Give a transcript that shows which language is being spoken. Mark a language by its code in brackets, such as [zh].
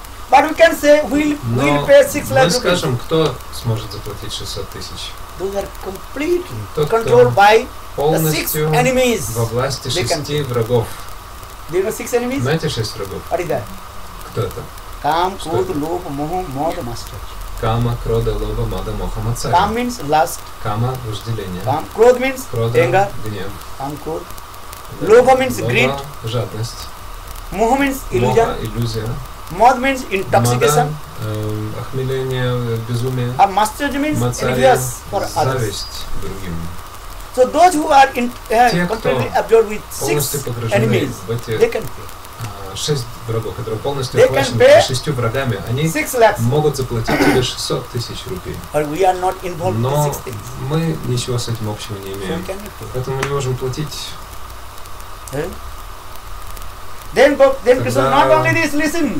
[en] But we can say we'll pay 6 lakh rupees. [ru] Мы скажем, кто сможет заплатить 600 тысяч? [en] Those are completely controlled by the six enemies. [ru] Во власти шести врагов. [en] Do you know six enemies? [ru] Знаете шесть врагов? [en] What is that? [ru] Кто это? [sa] Kam, krodh, lobh, moha, mada, mada. Kama, krodha, lobha, mada, moha, mada. [en] Kam means lust. [ru] Kama, вожделение. [en] Kam, krodh means [sa] krodha, [en] anger. [ru] Гнев. [en] Kam, krodh. Lobha means greed. [ru] Lobha, жадность. [en] Moha means illusion. [ru] Moha, иллюзия. [en] Mad means intoxication. [ru] Охмеление, безумие. [en] A mastery means envious for others. [ru] Другим. [en] So those who are in, completely absorbed with six enemies, [ru] эти, [en] they can pay. [ru] Шесть врагов, которые полностью охвачены шестью врагами, они могут заплатить тебе 600 тысяч рупий. [en] But we are not involved [ru] но [en] with six things. [ru] Мы ничего с этим общего не имеем. [en] So [ru] поэтому мы не можем платить. [en] Then go, then Krishna, not only this, listen.